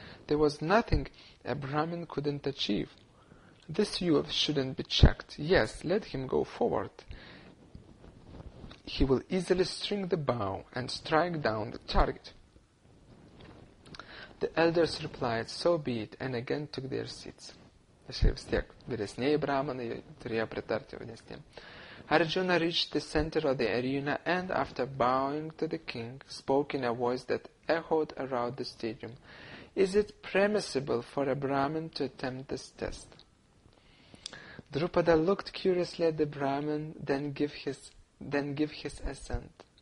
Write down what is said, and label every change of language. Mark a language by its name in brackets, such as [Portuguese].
[English] There was nothing a Brahmin couldn't achieve. This youth shouldn't be checked. Yes, let him go forward. He will easily string the bow and strike down the target. The elders replied, so be it, and again took their seats. [Lithuanian] Vis tiek, vyresnėjai brahmanai turėjo pritarti vyresnėjai. [English] Arjuna reached the center of the arena and, after bowing to the king, spoke in a voice that echoed around the stadium. Is it permissible for a Brahmin to attempt this test? Draupada looked curiously at the Brahmin, then gave his assent.